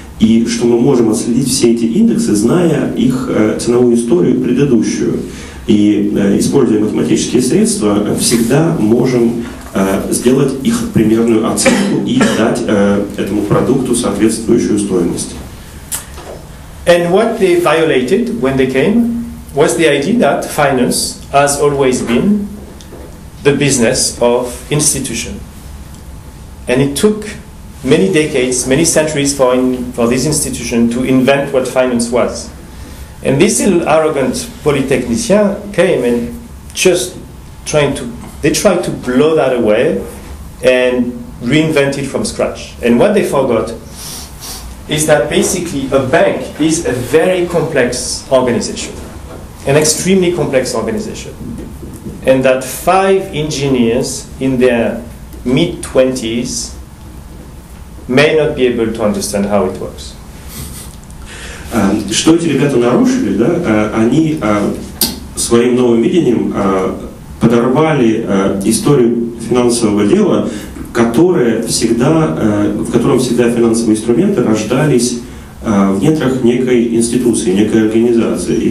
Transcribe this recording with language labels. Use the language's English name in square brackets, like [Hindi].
[Russian] и что мы можем отследить все эти индексы, зная их ценовую историю предыдущую. И используя математические средства, всегда можем сделать их примерную оценку и дать этому продукту соответствующую стоимость. [English] And what they violated when they came was the idea that finance has always been the business of institution. And it took many decades, many centuries for this institution to invent what finance was. And this arrogant polytechnician came and tried to blow that away and reinvent it from scratch. And what they forgot is that basically a bank is a very complex organization, an extremely complex organization. And that five engineers in their mid-20s may not be able to understand how it works. [Russian] Что эти ребята нарушили, да? Они своим новым видением подорвали историю финансового дела, в котором всегда финансовые инструменты рождались в недрах некой институции, некой организации.